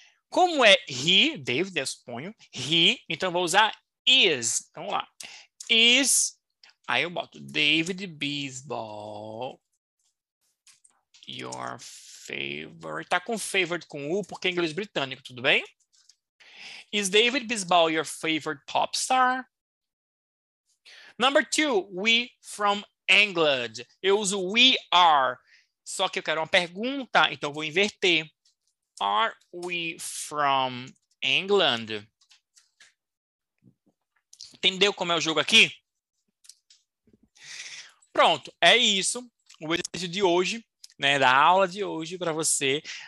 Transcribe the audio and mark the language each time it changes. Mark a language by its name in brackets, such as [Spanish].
[Portuguese] Como é he, David, eu suponho, he, então vou usar is. Então, vamos lá. Is, aí eu boto David Baseball [English] your favorite. [Portuguese] Tá com favorite com U, porque é inglês britânico, tudo bem? [English] Is David Baseball your favorite pop star? Number two, we from England. [Portuguese] Eu uso [English] we are, [Portuguese] só que eu quero uma pergunta, então vou inverter. [English] Are we from England? [Portuguese] Entendeu como é o jogo aqui? Pronto, é isso. O exercício de hoje, né, da aula de hoje para você.